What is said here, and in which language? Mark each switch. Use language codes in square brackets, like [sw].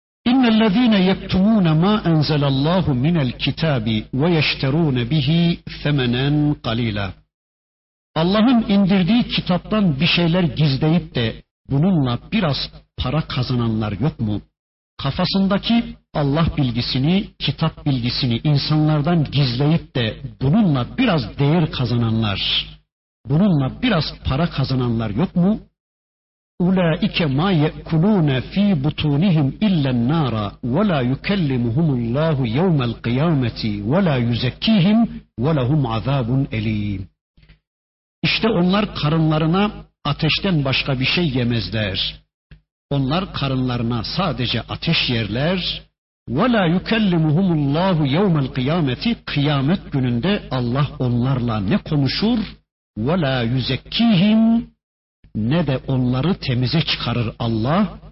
[ar] اِنَّ الَّذ۪ينَ يَكْتُمُونَ مَا اَنْزَلَ اللّٰهُ مِنَ الْكِتَابِ وَيَشْتَرُونَ بِهِ ثَمَنًا قَلِيلًا [tr] Allah'ın indirdiği kitaptan bir şeyler gizleyip de bununla biraz para kazananlar yok mu? Kafasındaki Allah bilgisini, kitap bilgisini insanlardan gizleyip de bununla biraz değer kazananlar, bununla biraz para kazananlar yok mu? [ar] اُولَٰئِكَ مَا يَأْكُلُونَ ف۪ي بُطُونِهِمْ اِلَّا النَّارَ وَلَا يُكَلِّمُهُمُ اللّٰهُ يَوْمَ الْقِيَامَةِ وَلَا يُزَكِّيهِمْ وَلَهُمْ عَذَابٌ اَل۪يمٌ [tr] İşte onlar karınlarına ateşten başka bir şey yemezler. Onlar karınlarına sadece ateş yerler. [ar] وَلَا يُكَلِّمُهُمُ اللّٰهُ يَوْمَ الْقِيَامَةِ [tr] Kıyamet gününde Allah onlarla ne konuşur? [ar] وَلَا يُزَكِّيهِمْ [tr] ne de onları temize çıkarır Allah.